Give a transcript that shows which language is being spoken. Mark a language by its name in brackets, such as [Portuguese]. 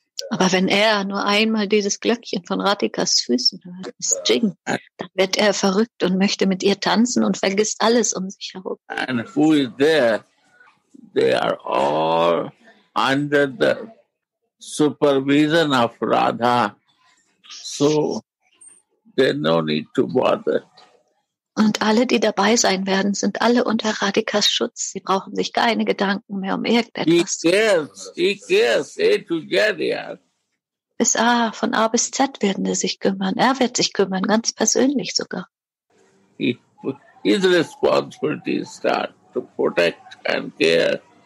[German] Aber wenn er nur einmal dieses Glöckchen von Radhikas Füßen hört, das Jing, dann wird er verrückt und möchte mit ihr tanzen und vergisst alles um sich herum. [English] And who is there? They are all under the supervision of Radha. So there's no need to bother. [German] Und alle, die dabei sein werden, sind alle unter Radhikas Schutz. Sie brauchen sich keine Gedanken mehr um irgendetwas. [English] He cares, A to Z, yes. [German] Bis A, von A bis Z werden sie sich kümmern. Er wird sich kümmern, ganz persönlich sogar. [English] His responsibility is that to protect and care.